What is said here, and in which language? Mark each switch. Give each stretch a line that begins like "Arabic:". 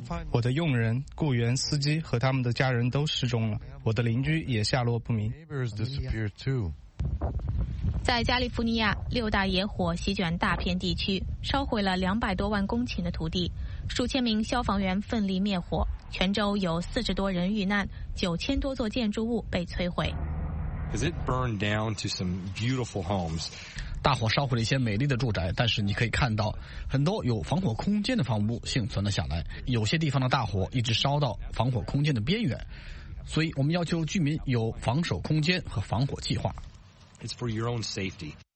Chinese: 我的佣人、雇员、司机和他们的家人都失踪了，我的邻居也下落不明。在加利福尼亚，6大野火席卷大片地区，烧毁了200多万公顷的土地，数千名消防员奋力灭火，全州有40多人遇难，9000多座建筑物被摧毁。
English: because it burned down to some beautiful homes.
Chinese: 大火烧毁了一些美丽的住宅，但是你可以看到很多有防火空间的房屋幸存了下来。有些地方的大火一直烧到防火空间的边缘，所以我们要求居民有防守空间和防火计划。
English: It's for your own safety.